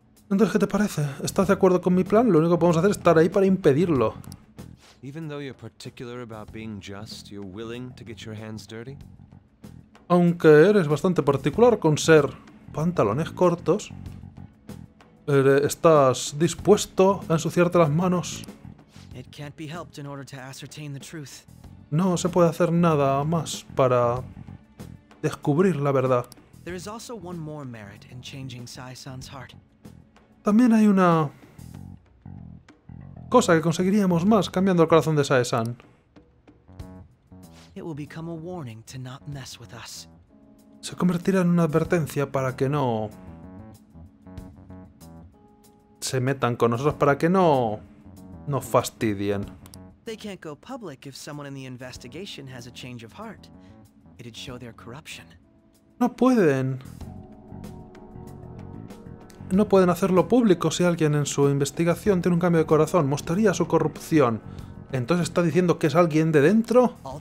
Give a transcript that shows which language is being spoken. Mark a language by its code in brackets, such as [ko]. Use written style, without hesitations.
[es] Entonces, ¿qué te parece? ¿Estás de acuerdo con mi plan? Lo único que podemos hacer es estar ahí para impedirlo. [en] Even though you're particular about being just, you're willing to get your hands dirty. [es] Aunque eres bastante particular con ser pantalones cortos, estás dispuesto a ensuciarte las manos. [en] It can't be helped in order to ascertain the truth. [es] No se puede hacer nada más para descubrir la verdad. [en] There is also one more merit in changing Sae-san's heart. [es] También hay una cosa que conseguiríamos más cambiando el corazón de Sae-san. [en] It will become a warning to not mess with us. [es] Se convertirá en una advertencia para que no se metan con nosotros, para que no nos fastidien. [en] They can't go public if someone in the investigation has a change of heart. It'd show their corruption. [es] No pueden hacerlo público si alguien en su investigación tiene un cambio de corazón. Mostraría su corrupción. ¿Entonces está diciendo que es alguien de dentro?